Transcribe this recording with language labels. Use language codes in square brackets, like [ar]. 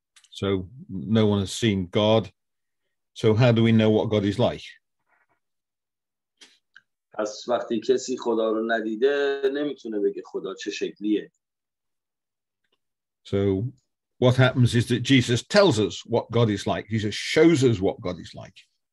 [en] So no one has seen God. So how do we know what God is like? [fa] از وقتی کسی خدا رو ندیده نمیتونه بگه خدا چه شکلیه. [en] So what happens is that Jesus tells us what God is like. Jesus shows us what God is like.